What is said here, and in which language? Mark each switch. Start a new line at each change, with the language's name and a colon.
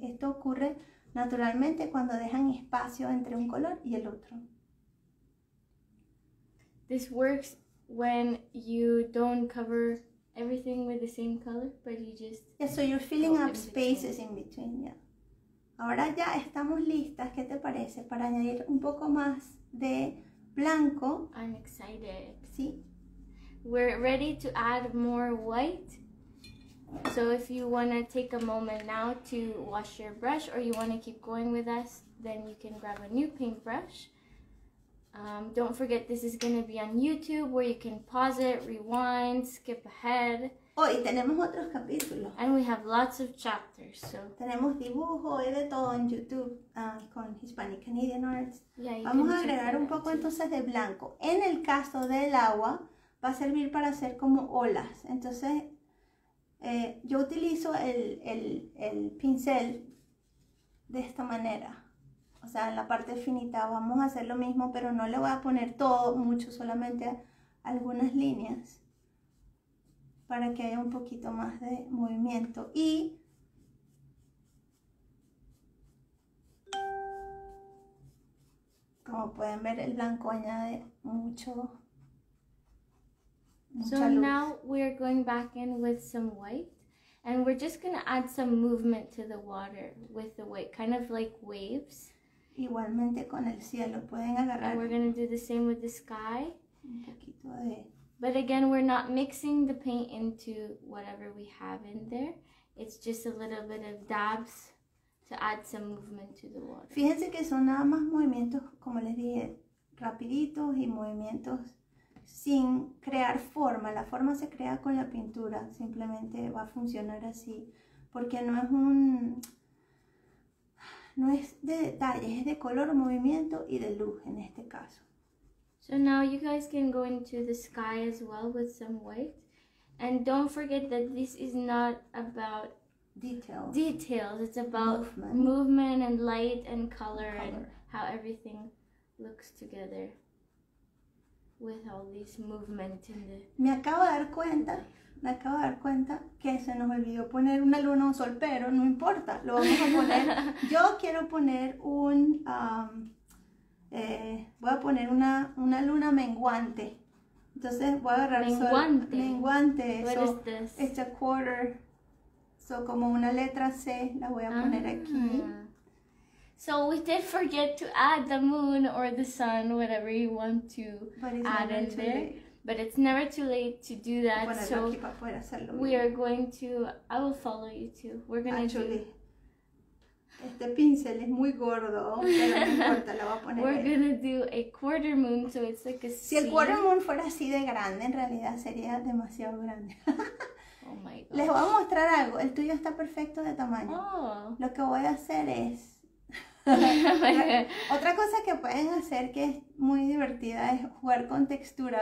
Spanish: Esto ocurre naturalmente cuando dejan espacio entre un color y el otro.
English: This works when you don't cover everything with the same color, but you just... Yeah, so you're filling up spaces in between, yeah.
Spanish: Ahora ya estamos listas, ¿qué te parece? Para añadir un poco más de blanco.
English: I'm excited.
Spanish: Sí.
English: We're ready to add more white. So if you want to take a moment now to wash your brush or you want to keep going with us, then you can grab a new paintbrush. Don't forget this is going to be on YouTube where you can pause it, rewind, skip ahead.
Spanish: Oh, y tenemos otros capítulos.
English: And we have lots of chapters, so.
Spanish: Tenemos dibujo y de todo en YouTube con Hispanic Canadian Arts.
English: Yeah,
Spanish: vamos a agregar un poco entonces de blanco. En el caso del agua, va a servir para hacer como olas. Entonces, yo utilizo el pincel de esta manera. O sea, en la parte finita vamos a hacer lo mismo, pero no le voy a poner todo, mucho, solamente algunas líneas. Para que haya un poquito más de movimiento. Y como pueden ver, el blanco añade mucho, mucha luz.
English: So now we are going back in with some white. And we're just going to add some movement to the water with the white, kind of like waves.
Spanish: Igualmente con el cielo, pueden agarrar.
English: And we're going to do the same with the sky.
Spanish: Un poquito de...
English: But again, we're not mixing the paint into whatever we have in there. It's just a little bit of dabs to add some movement to the water.
Spanish: Fíjense que son nada más movimientos, como les dije, rapiditos y movimientos sin crear forma. La forma se crea con la pintura. Simplemente va a funcionar así. Porque no es un... No es de detalles, es de color, movimiento y de luz en este caso.
English: So now you guys can go into the sky as well with some white. And don't forget that this is not about details. It's about movement and light and color and how everything looks together with all these movement in the...
Spanish: Me acabo de dar cuenta que se nos olvidó poner una luna o un sol, pero no importa, lo vamos a poner. Yo quiero poner un... voy a poner una luna menguante. Entonces voy a agarrar menguante. Sol. Menguante.
English: What so, is this? It's a quarter.
Spanish: So como una letra C, la voy a poner aquí.
English: So we did forget to add the moon or the sun, whatever you want to add in there. But it's never too late to do that.
Spanish: Bueno,
English: so we are going to, I will follow you too. We're going to do.
Spanish: Este pincel es muy gordo, pero no importa, lo voy a poner.
English: We're going to do a quarter moon, so it's like a C.
Spanish: Si el quarter moon fuera así de grande, en realidad sería demasiado grande.
English: Oh my God.
Spanish: Les voy a mostrar algo. El tuyo está perfecto de tamaño. Oh. Lo que voy a hacer es... Otra cosa que pueden hacer que es muy divertida es jugar con textura.